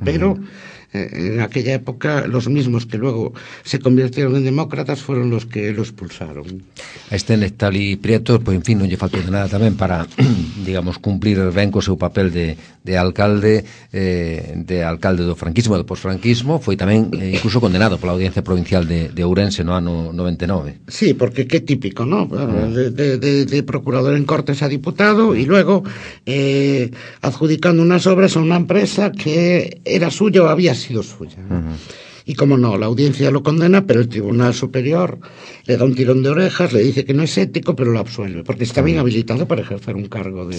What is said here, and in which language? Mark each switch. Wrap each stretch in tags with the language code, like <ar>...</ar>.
<es>Pero en aquella época los mismos que luego se convirtieron en demócratas fueron los que lo expulsaron.</es> <gl>Este Neftalí Prieto, pues en fin, no lle faltó de nada también para, digamos, cumplir ben co seu papel de alcalde do franquismo, do posfranquismo. Foi tamén incluso condenado pola Audiencia Provincial de Ourense no ano 99.</gl> <es>Sí, porque qué típico, ¿no? De procurador en Cortes a diputado y luego adjudicando unas obras a una empresa que era suya o había sido suya. Uh-huh. Y como no, la audiencia lo condena, pero el Tribunal Superior le da un tirón de orejas, le dice que no es ético, pero lo absuelve, porque está bien habilitado para ejercer un cargo de...</es>